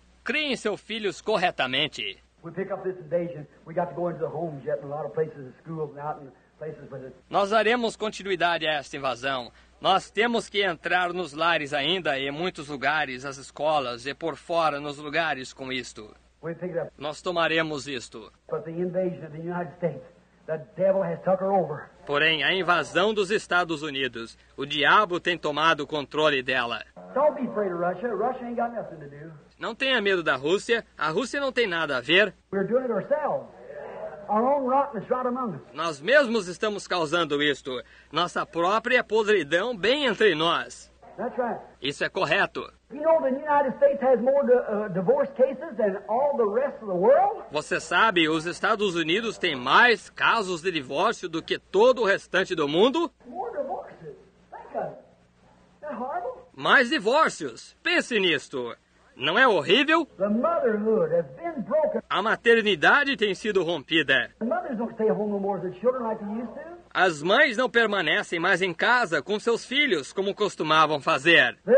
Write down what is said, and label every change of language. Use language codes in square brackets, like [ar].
[pt] Criem seus filhos corretamente. [en] We pick up this invasion. We got to go into the homes yet in a lot of places, the schools and out in places with it. [pt] Nós daremos continuidade a esta invasão. Nós temos que entrar nos lares ainda e em muitos lugares, as escolas e por fora nos lugares com isto. [en] We pick it up. [pt] Nós tomaremos isto. [en] But the invasion of the United States. The devil has taken over. [pt] Porém, a invasão dos Estados Unidos, o diabo tem tomado o controle dela. [en] Don't be afraid of Russia. Russia ain't got nothing to do. [pt] Não tenha medo da Rússia. A Rússia não tem nada a ver. [en] We're doing it ourselves. Our own rottenness right among us. [pt] Nós mesmos estamos causando isto. Nossa própria podridão bem entre nós. [en] That's right. [pt] Isso é correto. [en] You know the United States has more divorce cases than all the rest of the world? [pt] Você sabe, os Estados Unidos têm mais casos de divórcio do que todo o restante do mundo? [en] More divorces. Think of it. Isn't that horrible? [pt] Mais divórcios. Pense nisto. Não é horrível? [en] The motherhood has been broken. [pt] A maternidade tem sido rompida. [en] The mothers don't stay home no more with their children like they used to. [pt] As mães não permanecem mais em casa com seus filhos, como costumavam fazer.